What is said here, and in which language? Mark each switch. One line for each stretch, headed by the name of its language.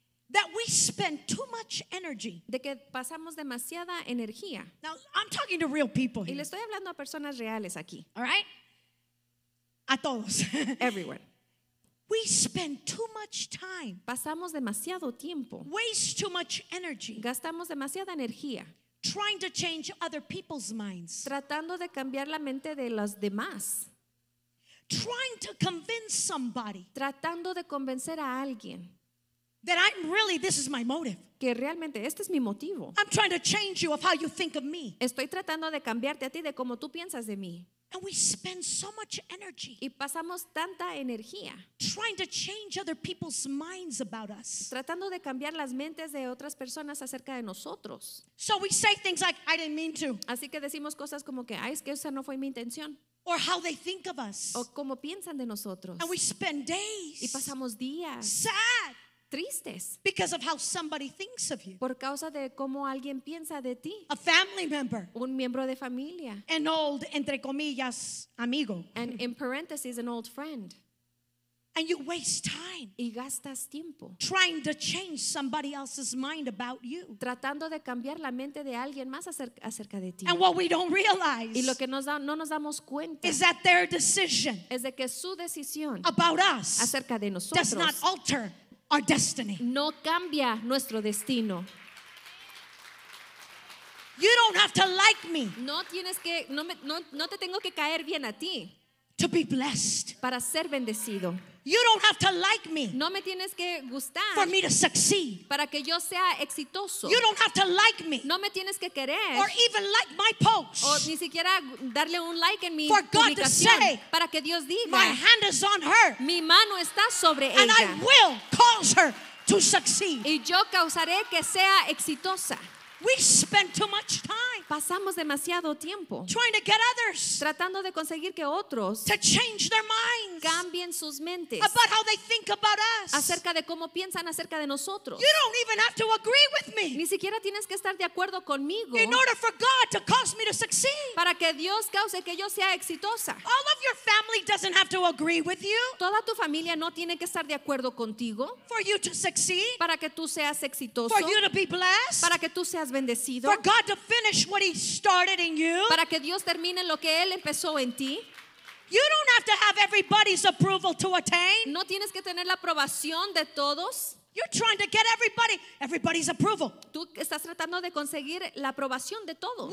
English: That we spend too much energy.
Spanish: De que pasamos demasiada energía.
English: Now I'm talking to real people here.
Spanish: Y le estoy hablando a personas reales aquí.
English: All right?
Spanish: A todos.
English: Everywhere. We spend too much time.
Spanish: Pasamos demasiado tiempo.
English: Waste too much energy.
Spanish: Gastamos demasiada energía.
English: Trying to change other people's minds.
Spanish: Tratando de cambiar la mente de los demás.
English: Trying to convince somebody.
Spanish: Tratando de convencer a alguien.
English: That I'm really, this is my motive.
Spanish: Que realmente este es mi motivo.
English: I'm trying to change you of how you think of me.
Spanish: Estoy tratando de cambiarte a ti de cómo tú piensas de mí.
English: And we spend so much energy.
Spanish: Y pasamos tanta energía.
English: Trying to change other people's minds about us.
Spanish: Tratando de cambiar las mentes de otras personas acerca de nosotros.
English: So we say things like, I didn't mean to.
Spanish: Así que decimos cosas como que, ay, es que esa no fue mi intención.
English: Or how they think of us.
Spanish: O cómo piensan de nosotros.
English: And we spend days.
Spanish: Y pasamos días.
English: Sad.
Spanish: Tristes.
English: Because of how somebody thinks of you.
Spanish: Por causa de cómo alguien piensa de ti.
English: A family member.
Spanish: Un miembro de familia.
English: An old,
Spanish: entre comillas, amigo.
English: And in parentheses, an old friend. And you waste time.
Spanish: Y gastas tiempo.
English: Trying to change somebody else's mind about you.
Spanish: Tratando de cambiar la mente de alguien más acerca de ti.
English: And what we don't realize.
Spanish: Y lo que no nos damos cuenta.
English: Is that their decision.
Spanish: Es de que su decisión.
English: About us.
Spanish: Acerca de nosotros.
English: Does not alter. Our destiny.
Spanish: No cambia nuestro destino.
English: You don't have to like me.
Spanish: No tienes que no te tengo que caer bien a ti.
English: To be blessed.
Spanish: Para ser bendecido.
English: You don't have to like me.
Spanish: No me tienes que gustar.
English: For me to succeed.
Spanish: Para que yo sea exitoso.
English: You don't have to like me.
Spanish: No me tienes que querer.
English: Or even like my post.
Spanish: O ni siquiera darle un like en mi
English: for God
Spanish: publicación.
English: To say,
Spanish: para que Dios diga.
English: My hand is on her.
Spanish: Mi mano está sobre
English: and
Spanish: ella.
English: And I will cause her to succeed.
Spanish: Y yo causaré que sea exitosa.
English: We spend too much time.
Spanish: Pasamos demasiado tiempo.
English: Trying to get others.
Spanish: Tratando de conseguir que otros.
English: To change their minds.
Spanish: Cambien sus mentes.
English: About how they think about us.
Spanish: Acerca de cómo piensan acerca de nosotros.
English: You don't even have to agree with me.
Spanish: Ni siquiera tienes que estar de acuerdo conmigo.
English: In order for God to cause me to succeed.
Spanish: Para que Dios cause que yo sea exitosa.
English: All of your family doesn't have to agree with you.
Spanish: Toda tu familia no tiene que estar de acuerdo contigo.
English: For you to succeed.
Spanish: Para que tú seas exitoso.
English: For you to be blessed.
Spanish: Para que tú seas bendecido.
English: For God to finish what he started in you.
Spanish: Para que Dios termine lo que él empezó en ti.
English: You don't have to have everybody's approval to attain.
Spanish: No tienes que tener la aprobación de todos.
English: You're trying to get everybody's approval.
Spanish: Tú estás tratando de conseguir la aprobación de todos.